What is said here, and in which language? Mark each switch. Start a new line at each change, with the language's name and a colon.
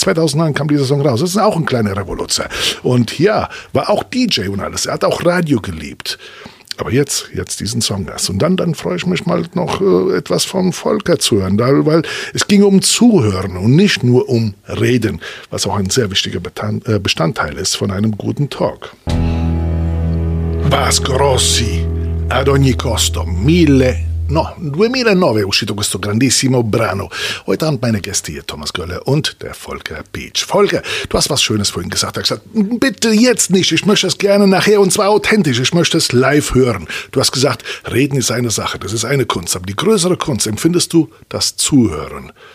German: 2009 kam dieser Song raus. Das ist auch ein kleiner Revoluzzer. Und ja, war auch DJ und alles. Er hat auch Radio geliebt. Aber jetzt diesen Song erst. Und dann freue ich mich mal noch etwas von Volker zu hören, weil es ging um Zuhören und nicht nur um Reden, was auch ein sehr wichtiger Bestandteil ist von einem guten Talk.
Italian: Vasco Rossi, ad ogni costo, 2009 è uscito questo grandissimo brano.
German: Heute Abend meine Gäste hier, Thomas Gölle und der Volker Peach. Volker, du hast was Schönes vorhin gesagt. Er hat gesagt, bitte jetzt nicht, ich möchte es gerne nachher und zwar authentisch, ich möchte es live hören. Du hast gesagt, Reden ist eine Sache, das ist eine Kunst, aber die größere Kunst empfindest du das Zuhören.